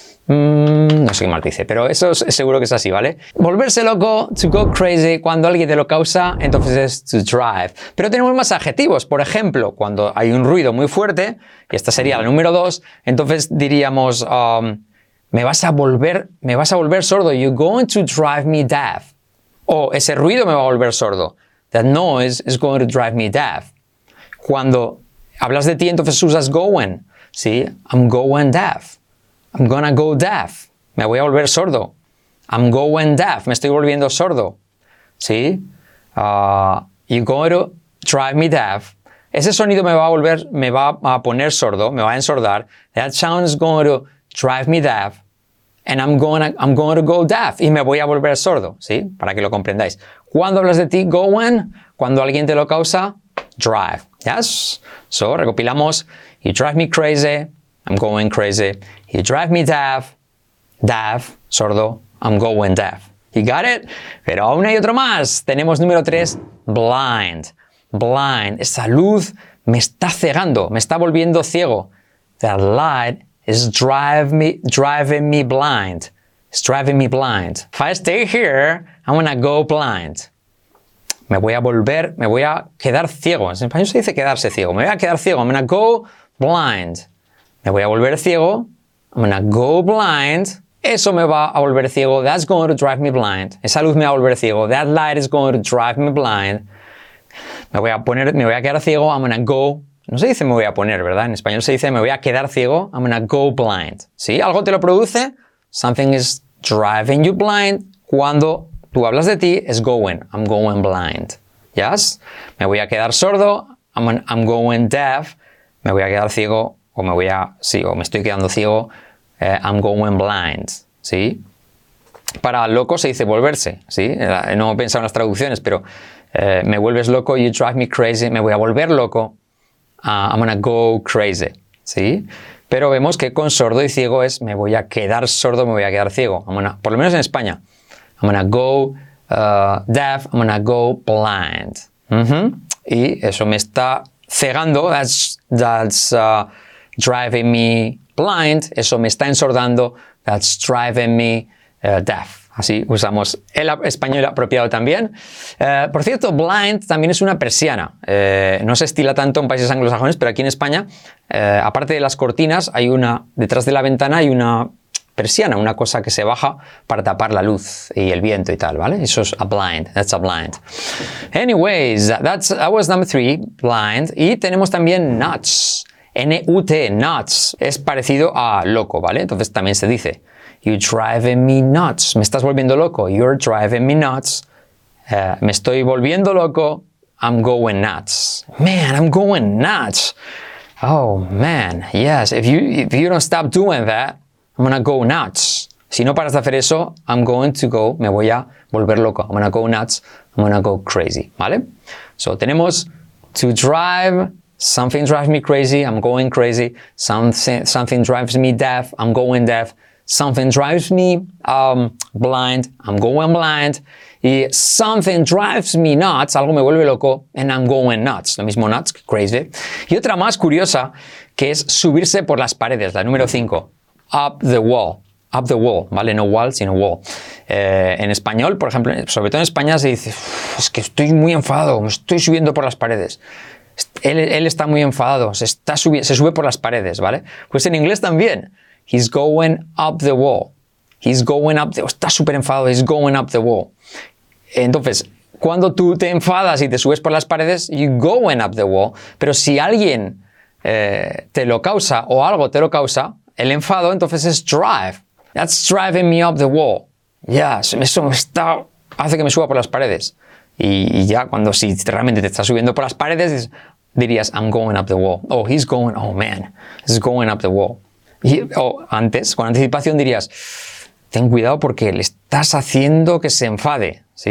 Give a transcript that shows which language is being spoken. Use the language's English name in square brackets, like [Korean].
[Spanish] No sé qué más dice, pero eso es, seguro que es así, ¿vale? Volverse loco, [English] to go crazy, [Spanish] cuando alguien te lo causa, entonces es to drive. Pero tenemos más adjetivos. Por ejemplo, cuando hay un ruido muy fuerte, y esta sería la número 2, entonces diríamos, me vas a volver sordo. [English] You're going to drive me deaf. [Spanish] O ese ruido me va a volver sordo. [English] That noise is going to drive me deaf. [Spanish] Cuando hablas de ti, entonces usas going. [English] ¿Sí? I'm going deaf. I'm gonna go deaf. [Spanish] Me voy a volver sordo. [English] I'm going deaf. [Spanish] Me estoy volviendo sordo. ¿Sí? [English] You're going to drive me deaf. [Spanish] Ese sonido me va a poner sordo. Me va a ensordar. [English] That sound is going to drive me deaf. And I'm going to go deaf. [Spanish] Y me voy a volver sordo, ¿sí? Para que lo comprendáis. Cuando hablas de ti, going, cuando alguien te lo causa, drive. [English] Yes? So, recopilamos. You drive me crazy. I'm going crazy. You drive me deaf. Deaf. Sordo. I'm going deaf. You got it? [Spanish] Pero aún hay otro más. Tenemos número 3. Blind. Blind. Esa luz me está cegando. Me está volviendo ciego. [English] The light is driving me blind. It's driving me blind. If I stay here, I'm gonna go blind. [Spanish] Me voy a quedar ciego. En español se dice quedarse ciego. Me voy a quedar ciego. [English] I'm gonna go blind. [Spanish] Me voy a volver ciego. [English] I'm gonna go blind. [Spanish] Eso me va a volver ciego. [English] That's going to drive me blind. [Spanish] Esa luz me va a volver ciego. [English] That light is going to drive me blind. [Spanish] Me voy a quedar ciego. [English] I'm gonna go. [Spanish] No se dice me voy a poner, ¿verdad? En español se dice me voy a quedar ciego. [English] I'm gonna go blind. [Spanish] ¿Sí? Algo te lo produce. [English] Something is driving you blind. [Spanish] Cuando tú hablas de ti, es going. [English] I'm going blind. [Spanish] Yes? Me voy a quedar sordo. [English] I'm going deaf. [Spanish] Me voy a quedar ciego. O me voy a... Sí, o me estoy quedando ciego. [English] I'm going blind. [Spanish] ¿Sí? Para loco se dice volverse. ¿Sí? No he pensado en las traducciones, pero... me vuelves loco. [English] You drive me crazy. [Spanish] Me voy a volver loco. [English] I'm gonna go crazy. [Spanish] ¿Sí? Pero vemos que con sordo y ciego es me voy a quedar sordo, me voy a quedar ciego. Por lo menos en España. [English] I'm gonna go deaf, I'm gonna go blind. [Spanish] Mm-hmm. Y eso me está cegando. [English] That's driving me blind. [Spanish] Eso me está ensordando. [English] That's driving me deaf. [Spanish] Así usamos el español apropiado también. Por cierto, blind también es una persiana. No se estila tanto en países anglosajones, pero aquí en España, aparte de las cortinas, hay una detrás de la ventana hay una persiana, una cosa que se baja para tapar la luz y el viento y tal, ¿vale? Eso es [English] a blind. That's a blind. Anyways, that was number three, blind. [Spanish] Y tenemos también nuts. N-U-T, nuts. Es parecido a loco, ¿vale? Entonces también se dice... [English] You're driving me nuts. [Spanish] Me estás volviendo loco. [English] You're driving me nuts. [Spanish] Me estoy volviendo loco. [English] I'm going nuts. Man, I'm going nuts. Oh, man. Yes, if you don't stop doing that, I'm gonna go nuts. Si no paras de hacer eso, I'm going to go. Me voy a volver loco. I'm gonna go nuts. I'm gonna go crazy. ¿Vale? [Spanish] So, tenemos to drive. [English] Something drives me crazy. I'm going crazy. Something drives me deaf. I'm going deaf. Something drives me blind, I'm going blind. Y something drives me nuts, [Spanish] algo me vuelve loco, [English] and I'm going nuts. [Spanish] Lo mismo nuts, crazy. Y otra más curiosa, que es subirse por las paredes, la número 5. Up the wall, ¿vale? No wall, sino wall. En español, por ejemplo, sobre todo en España se dice, es que estoy muy enfadado, me estoy subiendo por las paredes. Él está muy enfadado, se sube por las paredes, ¿vale? Pues en inglés también. [English] He's going up the wall. He's going up the wall. [Spanish] Está súper enfadado. [English] He's going up the wall. [Spanish] Entonces, cuando tú te enfadas y te subes por las paredes, [English] you're going up the wall. [Spanish] Pero si alguien te lo causa o algo te lo causa, el enfado, entonces es drive. [English] That's driving me up the wall. [Spanish] Yes, eso hace que me suba por las paredes. Y ya cuando si realmente te estás subiendo por las paredes, dirías, [English] I'm going up the wall. Oh, he's going, oh man, he's going up the wall. [Spanish] Antes, con anticipación dirías, ten cuidado porque le estás haciendo que se enfade, ¿sí?